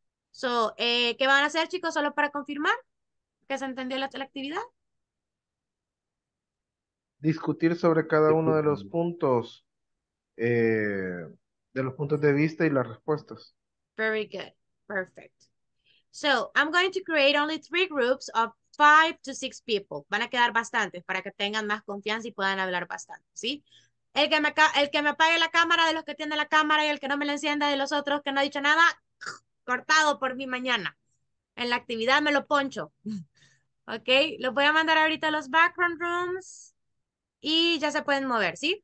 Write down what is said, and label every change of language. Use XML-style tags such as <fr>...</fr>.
<es>So, ¿qué van a hacer, chicos, solo para confirmar que se entendió la actividad? Discutir sobre cada uno de los puntos, de los puntos de vista y las respuestas.</es> <en>Very good. Perfect. So, I'm going to create only 3 groups of 5 to 6 people.</en> <es>Van a quedar bastantes para que tengan más confianza y puedan hablar bastante, ¿sí? El que me apague la cámara de los que tienen la cámara y el que no me la encienda de los otros que no ha dicho nada, cortado por mi mañana. En la actividad me lo poncho. Ok, los voy a mandar ahorita a los background rooms y ya se pueden mover, ¿sí?</es>